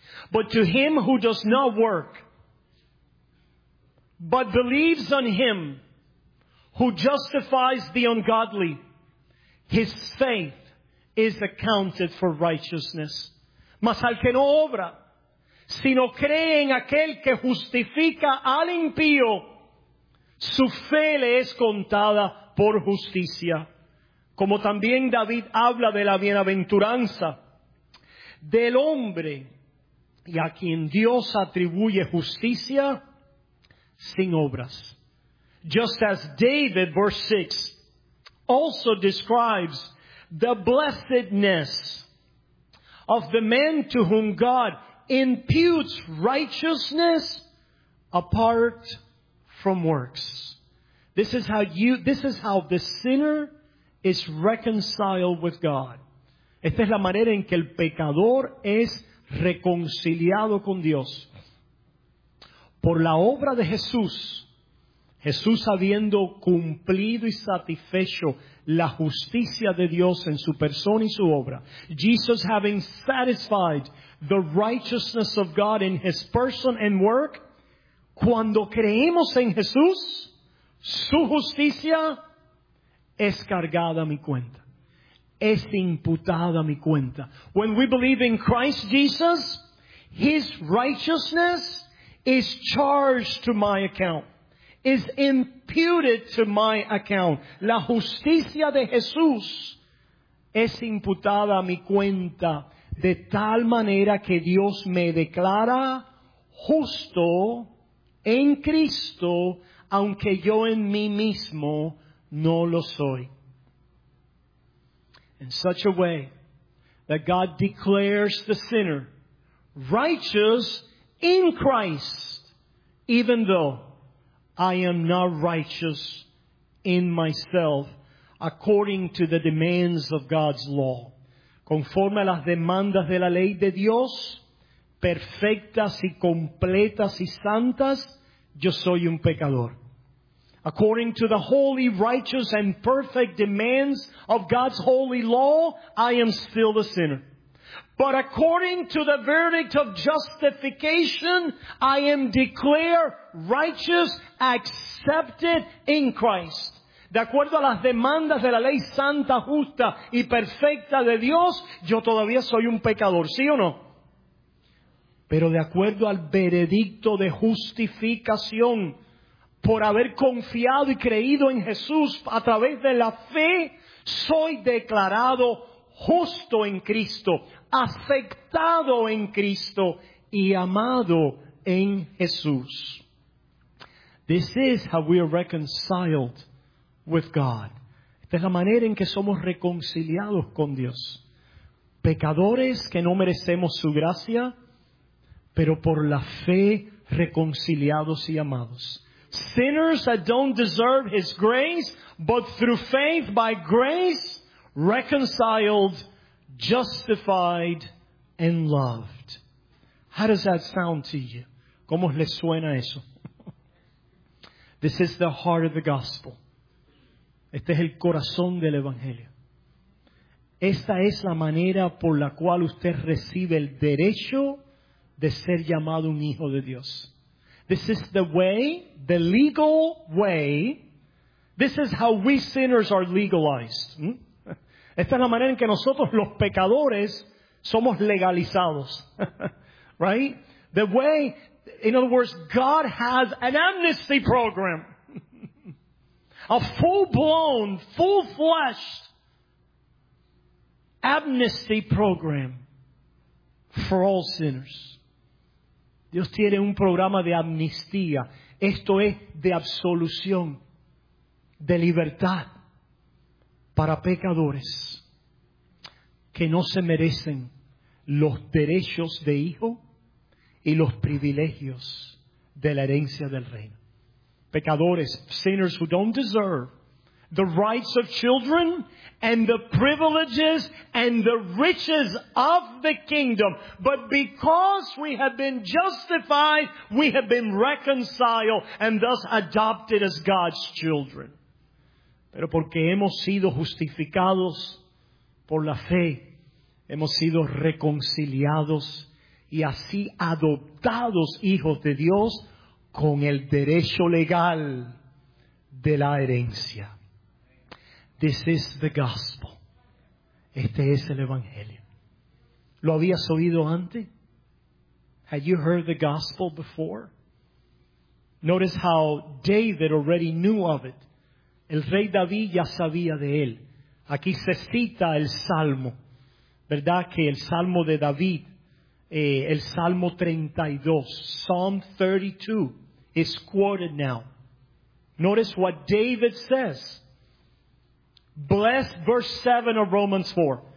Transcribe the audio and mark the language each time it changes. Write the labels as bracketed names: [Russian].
[English] But to him who does not work, but believes on him who justifies the ungodly, his faith is accounted for righteousness. [Spanish] Mas al que no obra, sino cree en aquel que justifica al impío, su fe le es contada por justicia. Como también David habla de la bienaventuranza del hombre y a quien Dios atribuye justicia sin obras. [English] Just as David, verse 6, also describes the blessedness of the man to whom God imputes righteousness apart from works. This is how the sinner is reconciled with God. [Spanish] Esta es la manera en que el pecador es reconciliado con Dios. Por la obra de Jesús, Jesús habiendo cumplido y satisfecho la justicia de Dios en su persona y su obra. [English] Jesus having satisfied the righteousness of God in his person and work, [Spanish] cuando creemos en Jesús, su justicia es cargada a mi cuenta. Es imputada a mi cuenta. [English] When we believe in Christ Jesus, his righteousness is charged to my account. Is imputed to my account. [Spanish] La justicia de Jesús es imputada a mi cuenta de tal manera que Dios me declara justo en Cristo, aunque yo en mí mismo no lo soy. [English] In such a way that God declares the sinner righteous in Christ, even though I am not righteous in myself according to the demands of God's law. [Spanish] Conforme a las demandas de la ley de Dios, perfectas y completas y santas, yo soy un pecador. [English] According to the holy, righteous and perfect demands of God's holy law, I am still a sinner. But according to the verdict of justification, I am declared righteous, accepted in Christ. [Spanish] De acuerdo a las demandas de la ley santa, justa y perfecta de Dios, yo todavía soy un pecador, ¿sí o no? Pero de acuerdo al veredicto de justificación, por haber confiado y creído en Jesús a través de la fe, soy declarado justo en Cristo, aceptado en Cristo y amado en Jesús. [English] This is how we are reconciled with God. [Spanish] Esta es la manera en que somos reconciliados con Dios. Pecadores que no merecemos su gracia, pero por la fe reconciliados y amados. [English] Sinners that don't deserve His grace, but through faith by grace, reconciled, justified, and loved. How does that sound to you? [Spanish] ¿Cómo les suena eso? [English] This is the heart of the gospel. [Spanish] Este es el corazón del evangelio. Esta es la manera por la cual usted recibe el derecho de ser llamado un hijo de Dios. [English] This is the way, the legal way. This is how we sinners are legalized. [Spanish] Esta es la manera en que nosotros los pecadores somos legalizados. [English] Right? The way, in other words, God has an amnesty program. A full-blown, full-fleshed amnesty program for all sinners. [Spanish] Dios tiene un programa de amnistía. Esto es de absolución, de libertad para pecadores que no se merecen los derechos de hijo y los privilegios de la herencia del reino. Pecadores, [English] sinners who don't deserve the rights of children and the privileges and the riches of the kingdom. But because we have been justified, we have been reconciled and thus adopted as God's children. [Spanish] Pero porque hemos sido justificados por la fe, hemos sido reconciliados y así adoptados hijos de Dios con el derecho legal de la herencia. [English] This is the gospel. [Spanish] Este es el evangelio. ¿Lo habías oído antes? [English] Had you heard the gospel before? Notice how David already knew of it. [Spanish] El rey David ya sabía de él. Aquí se cita el salmo. ¿Verdad? Que el salmo de David, el salmo 32, [English] Psalm 32, is quoted now. Notice what David says. Blessed, verse 7 of Romans 4.